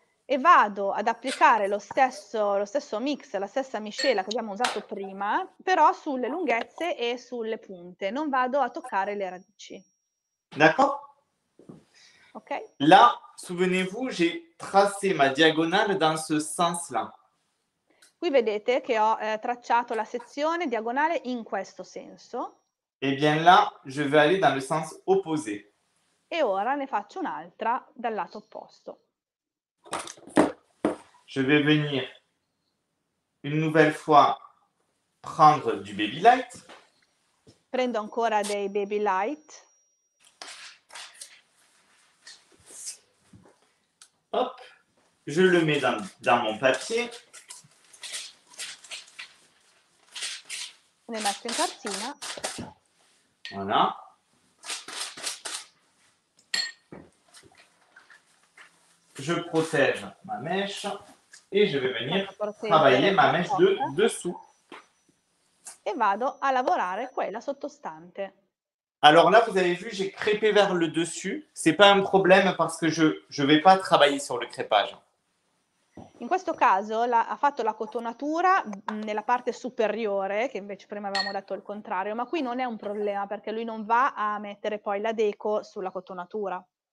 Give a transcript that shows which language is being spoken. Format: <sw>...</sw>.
<it>E vado ad applicare lo stesso mix, la stessa miscela che abbiamo usato prima, però sulle lunghezze e sulle punte, non vado a toccare le radici.</it> <fr>D'accord? Ok. Là, souvenez-vous, j'ai tracé ma diagonale dans ce sens-là.</fr> <it>Qui vedete che ho tracciato la sezione diagonale in questo senso.</it> <fr>Et bien là, je vais aller dans le sens opposé.</fr> <it>E ora ne faccio un'altra dal lato opposto.</it> <fr>Je vais venir une nouvelle fois prendre du baby light.</fr> <it>Prendo ancora dei baby light.</it> <fr>Hop, je le mets dans mon papier. Ne metto in cartina. Voilà. Je protège ma mèche et je vais venir travailler ma mèche de dessous.</fr> <it>E vado a lavorare quella sottostante.</it> <fr>Alors là, vous avez vu, j'ai crêpé vers le dessus. C'est pas un problème parce que je vais pas travailler sur le crépage.</fr> <it>In questo caso ha fatto la cotonatura nella parte superiore, che invece prima avevamo detto il contrario, ma qui non è un problema perché lui non va a mettere poi la deco sulla cotonatura.</it>